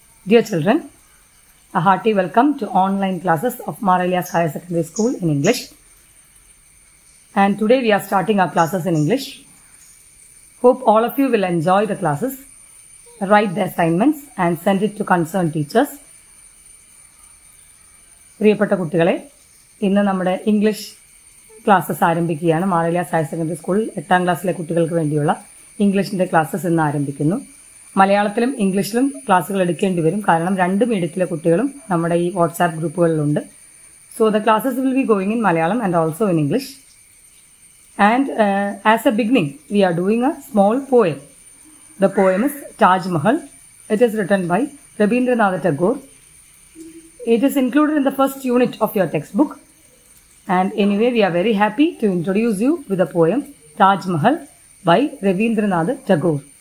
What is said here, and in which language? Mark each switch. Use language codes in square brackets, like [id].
[en] Dear children, a hearty welcome to online classes of Mar Elias Higher Secondary School in English. And today we are starting our classes in English. Hope all of you will enjoy the classes, write the assignments and send it to concerned teachers. [ml] പ്രിയപ്പെട്ട കുട്ടികളെ, ഇന്ന് നമ്മുടെ English classes ആരംഭിക്കുകയാണ്. Mar Elias higher secondary സ്കൂളിൽ എട്ടാം ക്ലാസ്സിലെ കുട്ടികൾക്ക് വേണ്ടിയുള്ള ഇംഗ്ലീഷിൻ്റെ ക്ലാസ്സസ് ഇന്ന് ആരംഭിക്കുന്നു. മലയാളത്തിലും ഇംഗ്ലീഷിലും ക്ലാസ്സുകൾ എടുക്കേണ്ടി വരും, കാരണം രണ്ട് മീഡിയത്തിലെ കുട്ടികളും നമ്മുടെ ഈ WhatsApp ഗ്രൂപ്പുകളിലുണ്ട്. [en] So the classes will be going in Malayalam and also in English. And as a beginning we are doing a small poem. The poem is Taj Mahal. It is written by Rabindranath Tagore. It is included in the first unit of your textbook. And anyway, we are very happy to introduce you with a poem, Taj Mahal by Ravindranath Tagore.